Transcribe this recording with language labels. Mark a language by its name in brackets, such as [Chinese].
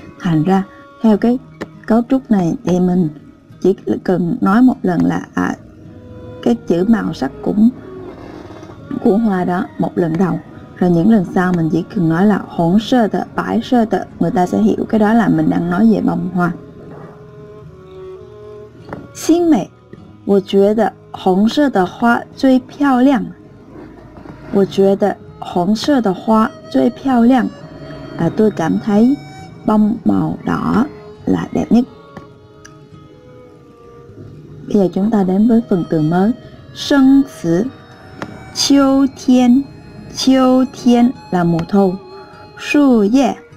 [Vietnamese] Thành ra theo cái cấu trúc này thì mình chỉ cần nói một lần là cái chữ màu sắc cũng của hoa đó một lần đầu Rồi những lần sau mình chỉ cần nói là hỗn sơ tờ, bãi sơ tờ, người ta sẽ hiểu cái đó là mình đang nói về bông hoa. Xin mẹ, [Chinese] 我觉得红色的花最漂亮. 我觉得红色的花最漂亮. [Vietnamese] À, tôi cảm thấy bông màu đỏ là đẹp nhất. Bây giờ chúng ta đến với phần từ mới. Sân xứ. Chiêu thiên. Chiêu thiên là mùa thu. Su ye.